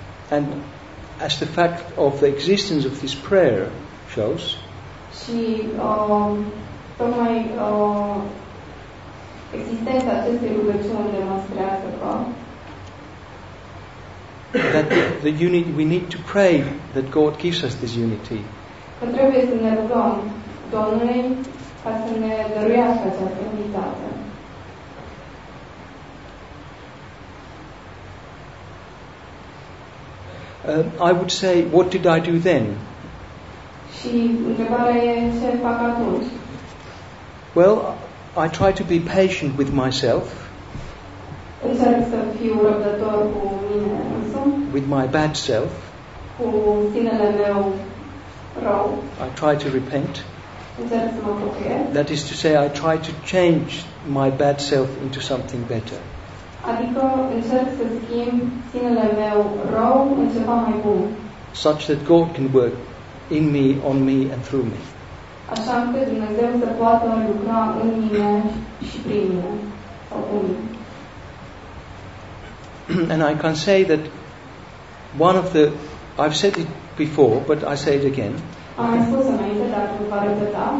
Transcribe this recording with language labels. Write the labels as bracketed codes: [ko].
[en] And as the fact of the existence of this prayer shows, [ro] și tocmai existența acestei rugăciuni demonstrează că [en] that the unity, we need to pray that God gives us this unity. [ro] Că trebuie să ne rugăm Domnului ca să ne dăruiască această unitate. [en] I would say, what did I do then? [ro] Și întrebarea e, ce fac atunci? [en] Well, I try to be patient with myself. [ro] Încerc să fiu răbdător cu mine însumi. [en] With my bad self. [ro] Cu sinele meu rău. [en] I try to repent. [ro] Încerc să mă pocăiesc. [en] That is to say, I try to change my bad self into something better. [ro] Adică încerc să schimb sinele meu rău în ceva mai bun. [en] Such that God can work in me, on me, and through me. [ro] Așa încât Dumnezeu să poată lucra în mine și prin mine, sau cu mine. [en] And I can say that one of the, I've said it before, but I say it again. [ro] Am spus înainte, dar nu vă repet.